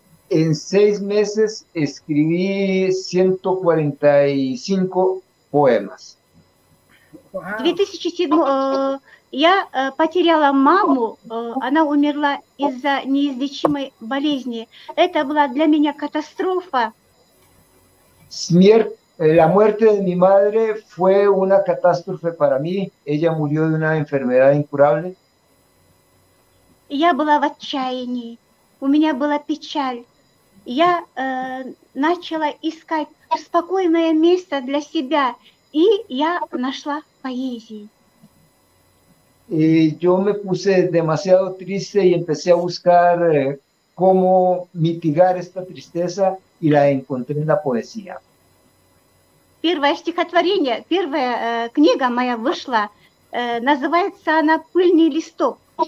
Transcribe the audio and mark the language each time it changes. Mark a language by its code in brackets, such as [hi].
[es] En 6 meses escribí 145 poemas. Wow. [ru] 2007, я потеряла маму, она умерла из-за неизлечимой болезни. Это была для меня катастрофа. [es] La muerte de mi madre fue una catástrofe para mí. Ella murió de una enfermedad incurable. [ru] Я была в отчаянии, у меня была печаль. Я начала искать спокойное место для себя, и я нашла поэзию. [es] Yo me puse demasiado triste y empecé a buscar cómo mitigar esta tristeza y la encontré en la poesía. [ru] Первое стихотворение, первая книга моя вышла, называется она «Пыльный листок».